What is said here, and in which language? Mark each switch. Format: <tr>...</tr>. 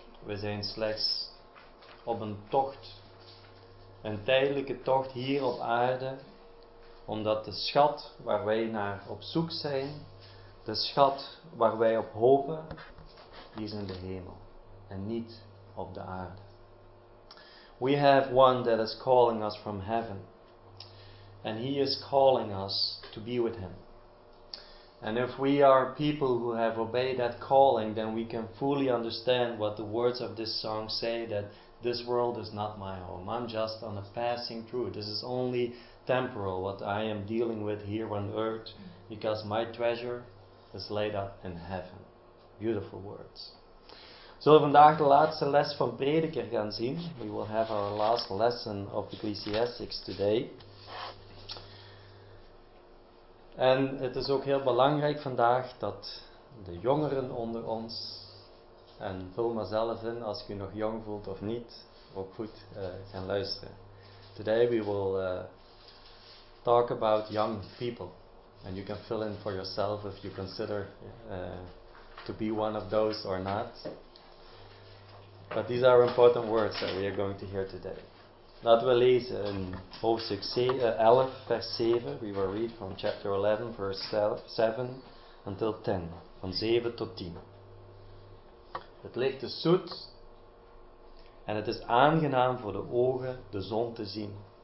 <nl>We zijn slechts op een tocht, een tijdelijke tocht hier op aarde, omdat de schat waar wij naar op zoek zijn, de schat waar wij op hopen, die is in de hemel en niet op de aarde.</nl> <en>We have one that is calling us from heaven, and he is calling us to be with him. And if we are people who have obeyed that calling, then we can fully understand what the words of this song say, that this world is not my home. I'm just on a passing through. This is only temporal, what I am dealing with here on earth, because my treasure is laid up in heaven. Beautiful words.</en> <nl>Zullen we vandaag de laatste les van Prediker gaan zien?</nl> <en>We will have our last lesson of Ecclesiastes today.</en> <nl>En het is ook heel belangrijk vandaag dat de jongeren onder ons, en vul maar zelf in als je nog jong voelt of niet, ook goed gaan luisteren.</nl> <en>Today we will talk about young people. And you can fill in for yourself if you consider to be one of those or not. But these are important words that we are going to hear today.</en> <nl>Laten we lezen in hoofdstuk 11, vers 7.</nl> <en>We will read from chapter 11, verse 7 until 10.</en> <nl>Van 7 tot 10. Het licht is zoet en het is aangenaam voor de ogen de zon te zien.</nl>